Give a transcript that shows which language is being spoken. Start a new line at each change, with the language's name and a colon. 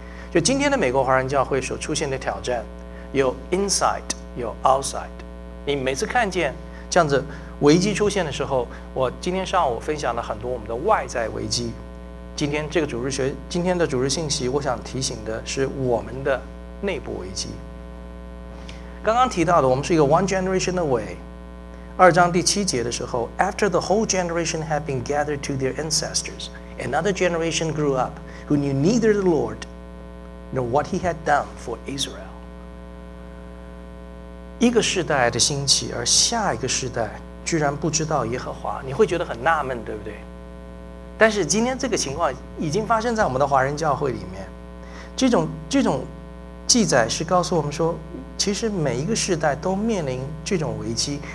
Chinese: 就今天的美国华人教会所出现的挑战，有 inside 有 outside。你每次看见这样子危机出现的时候，我今天上午分享了很多我们的外在危机，今天的主日信息我想提醒的是我们的内部危机。刚刚提到的，我们是一个
English: one generation away。
Chinese: 二章第七节的时候，
English: After the whole generation had been gathered to their ancestors, another generation grew up who knew neither the Lord nor what he had done for Israel。
Chinese: 一个世代的兴起，而下一个世代居然不知道耶和华，你会觉得很纳闷，对不对？但是今天这个情况已经发生在我们的华人教会里面。这种记载是告诉我们说，其实每一个世代都面临这种危机。